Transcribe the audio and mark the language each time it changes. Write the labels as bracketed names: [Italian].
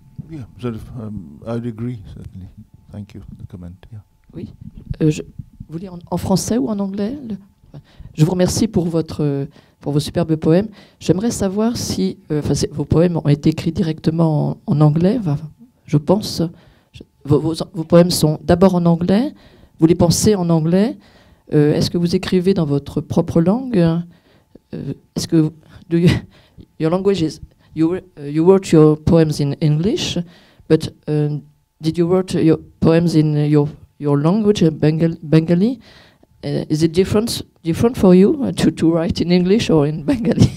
[English] Yeah, sort of, I'd agree, certainly. Thank you for the comment. Yeah. [French] Oui. Je voulais en français ou en anglais. Je vous remercie pour vos superbes poèmes. J'aimerais savoir si vos poèmes ont été écrits directement en anglais, je pense. Vos poèmes sont d'abord en anglais, vous les pensez en anglais. Est-ce que vous écrivez dans votre propre langue? Est-ce que [English] your language is you wrote your poems in English, but did you write your poems in your language, Bengali? Is it different for you to write in English or in Bengali?